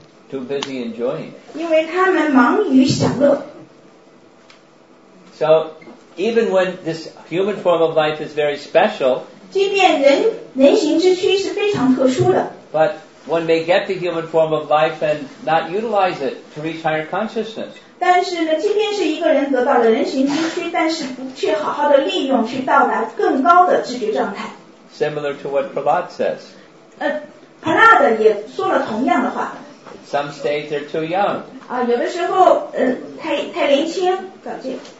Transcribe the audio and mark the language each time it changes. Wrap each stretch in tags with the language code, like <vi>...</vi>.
<en>Too busy enjoying.</en> <zh>因为他们忙于享乐。</zh> <en>So even when this human form of life is very special，</en> <zh>即便人形之躯是非常特殊的。</zh> <en>But one may get the human form of life and not utilize it to reach higher consciousness.</en> <zh>但是呢，即便是一个人得到了人形之躯，但是不去好好的利用，去到达更高的知觉状态。</zh> <en>Similar to what Prahlad says.</en> <zh>Prahlad 也说了同样的话。</zh> <en>Some states are too young.</en> <zh>有的时候，太年轻，搞这个。</zh>